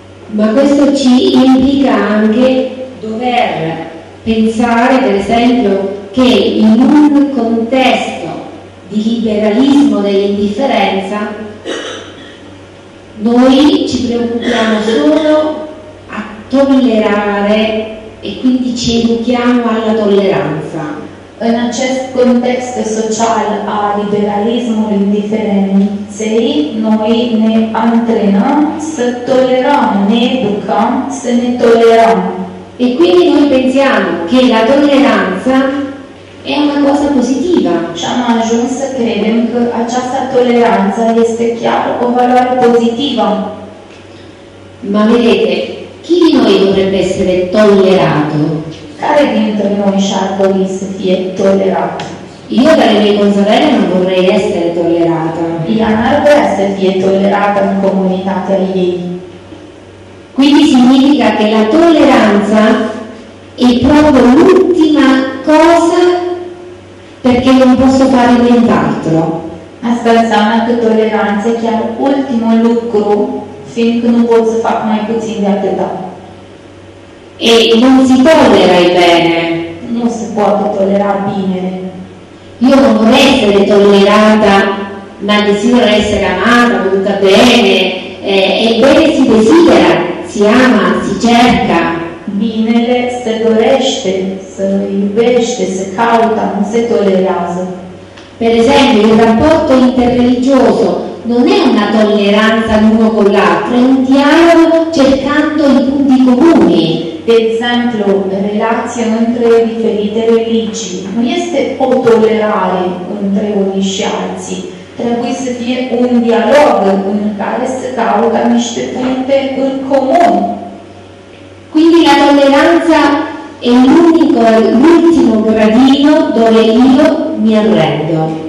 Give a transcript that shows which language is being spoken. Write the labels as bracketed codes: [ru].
[it] Ma questo ci implica anche dover pensare, per esempio, che in un contesto di liberalismo dell'indifferenza noi ci preoccupiamo solo a tollerare e quindi ci educhiamo alla tolleranza. In questo contesto sociale a liberalismo indifferente, [ro] sei noi ne antrenam să tolerăm, ne educăm să ne tolerăm. [it] E quindi noi pensiamo che la tolleranza è una cosa positiva. [ro] Și am ajuns să credem că această toleranță este chiar o valoare pozitivă. [it] Ma vedete, chi di noi dovrebbe essere tollerato? [ro] Care dintre noi și-ar dori să fie tolerat? [it] Io dalle mie consorelle non vorrei essere tollerata. [ro] Ea n-ar vrea să fie tolerată în comunitatea ei. [it] Quindi significa che la toleranza è proprio l'ultima cosa perché non posso fare nient'altro. [ro] Asta înseamnă că toleranța e chiar ultimul lucru fiindcă nu pot să fac mai puțin de atâta. [it] E non si tollera il bene. Non si può tollerare bene. Io non vorrei essere tollerata, ma desidero essere amata, voluta bene. E quello che si desidera, si ama, si cerca. [ro] Binele se dorește, se iubește, se caută, non se tollerează. [it] Per esempio, il rapporto interreligioso non è una tolleranza l'uno con l'altro, è un dialogo cercando i punti comuni. [ro] De exemplu, relația între diferite religii nu este o tolerare între unii și alții. Trebuie să fie un dialog în care se caută niște puncte în comun. [it] Quindi la toleranza e l'ultimo gradino dove io mi arrendo.